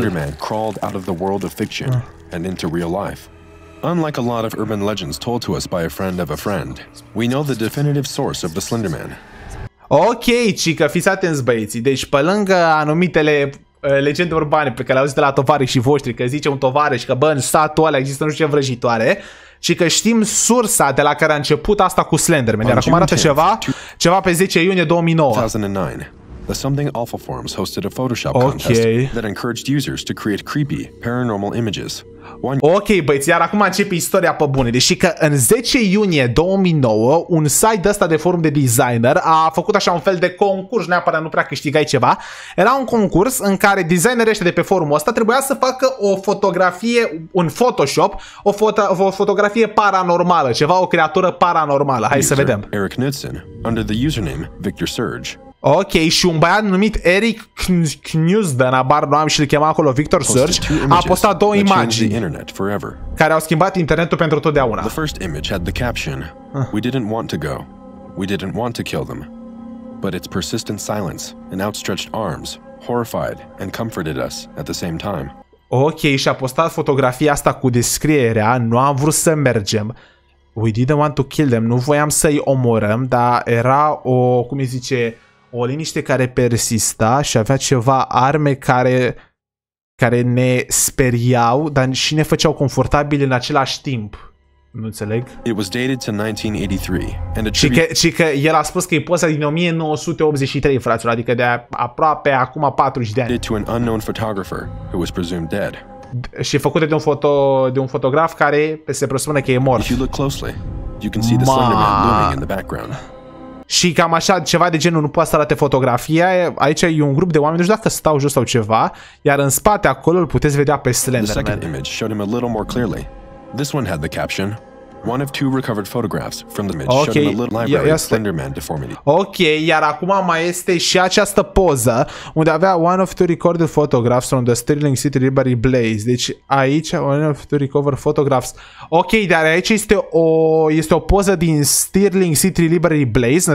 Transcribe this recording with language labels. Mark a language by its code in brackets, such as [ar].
[en] Slenderman crawled out of the world of fiction and into real life. Unlike a lot of urban legends told to us by a friend of a friend, we know the definitive source of the Slenderman. [ro] Ok, cică, fiți atenți, băieții, deci pe lângă anumitele legende urbane pe care le auzit de la tovarășii voștri, că zice un tovarăș că, bă, în satul ăla există nu știu ce vrăjitoare, și că știm sursa de la care a început asta cu Slenderman. Iar acum arată ceva pe 10 iunie 2009. [en] Something Alpha Forms hosted a Photoshop contest that encouraged users to create creepy paranormal images. [ro] Ok, băieți, iar acum începe istoria pe bune. Deși că în 10 iunie 2009, un site ăsta de forum de designer a făcut așa un fel de concurs, neapărat nu prea câștigai ceva. Era un concurs în care designerii ăștia de pe forumul ăsta trebuia să facă o fotografie în Photoshop, o fotografie paranormală, ceva, o creatură paranormală. Hai să vedem. Eric Knudsen, [en] under the username [ro] Victor Surge. Ok, și un băiat numit Eric Knudsen, abar nu am și îl chema acolo Victor Surge, a postat două imagini care au schimbat internetul pentru totdeauna. [en] The first image had the caption, "We didn't want to go. We didn't want to kill them. But its persistent silence and outstretched arms horrified and comforted us at the same time. [ro] Ok, și-a postat fotografia asta cu descrierea, nu am vrut să mergem. [en] We didn't want to kill them, [ro] nu voiam să-i omorăm, dar era o, cum îi zice, o liniște care persista și avea ceva arme care ne speriau, dar și ne făceau confortabili în același timp. Nu înțeleg. [en] It was dated to 1983 and [ro] și că el a spus că e poza din 1983, fraților, adică de aproape acum 40 de ani. [en] Dated to an unknown photographer who was presumed dead. [ro] Și făcută de un fotograf care se presupune că e mort. [en] If you look closely, you can see the Slenderman looming in the background. [ro] Și cam așa, ceva de genul, nu poate să arate fotografia. Aici e un grup de oameni, nu știu dacă stau jos sau ceva, iar în spate acolo îl puteți vedea pe Slenderman. [en] The second image showed him a little more clearly. This one had the caption, one of two recovered photographs from the image showed him a little library of Slenderman deformity. [ro] Ok, iar acum mai este și această poză, unde avea [en] one of two recorded photographs from the Sterling City Library Blaze. [ro] Deci aici, [en] one of two recovered photographs. [ro] Ok, dar aici este o poză din Sterling City Library Blaze.